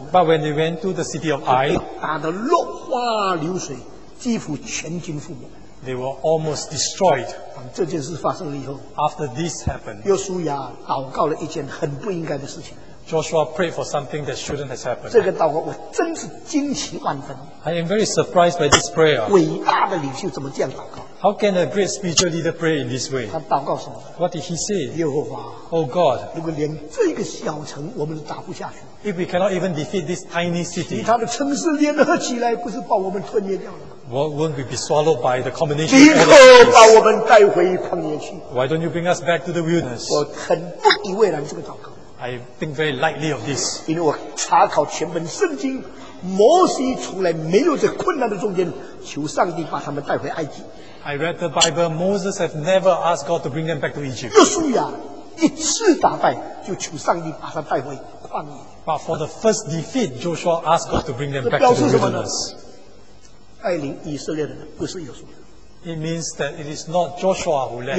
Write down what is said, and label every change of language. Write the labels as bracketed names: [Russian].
[English] but when they went to the city of Ai, [Chinese] 打得落花流水, 几乎全军覆没。 [English] They were almost destroyed. [Chinese] 这件事发生了以后， [English] After this happened, [Chinese] 约书亚祷告了一件很不应该的事情。 [English] Joshua prayed for something that shouldn't have happened. [Chinese] 这个祷告我真是惊奇万分。 [English] I am very surprised by this prayer. [Chinese] 伟大的领袖怎么这样祷告？ [English] How can a great spiritual leader pray in this way? [Chinese] 他祷告什么？ [English] What did he say? [Chinese] 耶和华， [English] Oh God, [Chinese] 如果连这个小城我们都打不下去， [English] If we cannot even defeat this tiny city, [Chinese] 其他的城市联合起来不是把我们吞灭掉了？ [English] Won't we be swallowed by the combination? [Chinese] 立刻把我们带回旷野去。 [English] Why don't you bring us back to the wilderness? [Chinese] 我很不以为然这个祷告。 [English] I think very lightly of this. [Chinese] 因为我查考全本圣经，摩西从来没有在困难的中间求上帝把他们带回埃及。 [English] I read the Bible. Moses has never asked God to bring them back to Egypt. [Chinese] 约书亚一次打败就求上帝把他带回旷野。 [English] But for the first defeat, Joshua asked God to bring them back to the wilderness. [Chinese] 带领以色列的人不是耶稣。 [English] It means that it is not Joshua who led